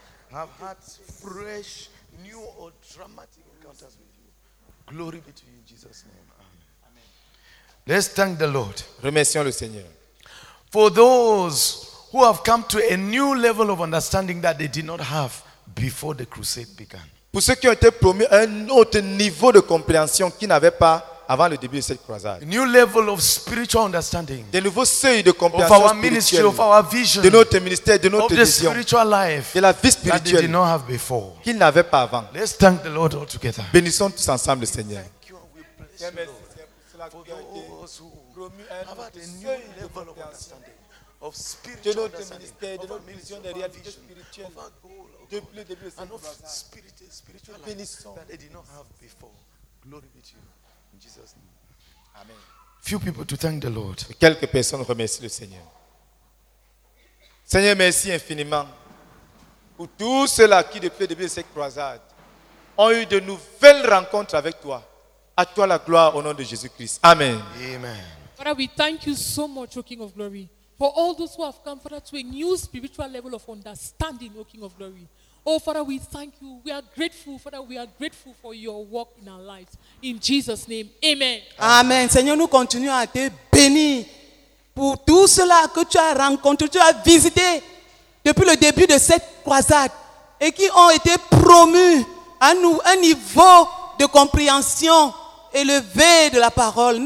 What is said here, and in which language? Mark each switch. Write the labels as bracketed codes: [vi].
[en] Have had fresh, new or dramatic encounters with you. Glory be to you in Jesus' name. Amen. Amen. Let's thank the Lord. [fr] Remercions le Seigneur. [en] For those who have come to a new level of understanding that they did not have before the crusade began. [fr] Pour ceux qui ont été promis un autre niveau de compréhension qu'ils n'avaient pas avant le début de cette croisade. [en] New level of spiritual understanding. [fr] Des nouveaux seuils de compréhension [en] of our ministry, of our vision, [fr] de notre ministère, de notre vision, [en] spiritual life, [fr] de la vie spirituelle [en] that they did not have before. [fr] Qu'ils n'avaient pas avant. [en] Let's thank the Lord all together. [fr] Bénissons tous ensemble le Seigneur. [en] Thank you and we bless you, Lord. For those who have had a new level of understanding of spiritual understanding, [fr] de notre ministère, de notre vision, de notre vision, depuis le début [en] and of spiritual life that they did not have before. Glory be to you. Jesus. Amen. Few people to thank the Lord. [fr] Quelques personnes remercient le Seigneur. Seigneur, merci infiniment pour tous ceux-là qui, depuis le début de cette croisade, ont eu de nouvelles rencontres avec toi. À toi la gloire au nom de Jésus-Christ. Amen. Amen. [en] Father, we thank you so much, O King of Glory, for all those who have come, Father, to a new spiritual level of understanding, O King of Glory. Oh, Father, we thank you. We are grateful, Father, we are grateful for your work in our lives. In Jesus' name, amen. Amen. [fr] Seigneur, nous continuons à te bénir pour tout cela que tu as rencontré, tu as visité depuis le début de cette croisade et qui ont été promus à nous un niveau de compréhension élevé de la parole.